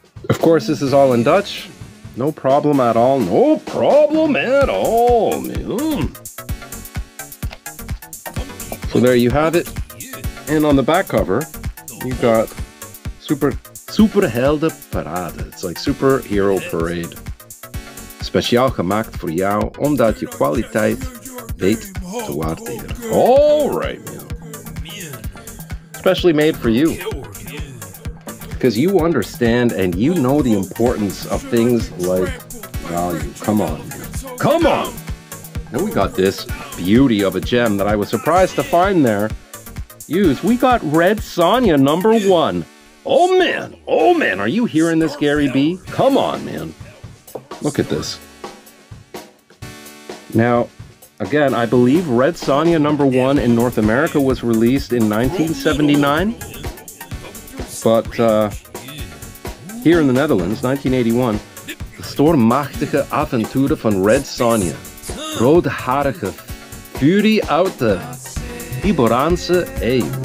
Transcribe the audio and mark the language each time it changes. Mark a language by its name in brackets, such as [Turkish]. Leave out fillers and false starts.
[English] Of course, this is all in Dutch. No problem at all. No problem at all, man. So there you have it. And on the back cover, you've got Superhelden Parade. It's like Superhero Parade. [Dutch] Speciaal gemaakt voor jou, omdat je kwaliteit weet te waarderen. [English] All right, man. Especially made for you. Because you understand and you know the importance of things like value. Come on. Come on! And we got this beauty of a gem that I was surprised to find there. Use. We got Red Sonja number one. Oh, man. Oh, man. Are you hearing this, Gary B? Come on, man. Look at this. Now, again, I believe Red Sonja number one in North America was released in 1979. But, here in the Netherlands, 1981, the [Dutch] stormachtige avonturen van Red Sonja, roodharige fury uit de Iberaanse Eeuw.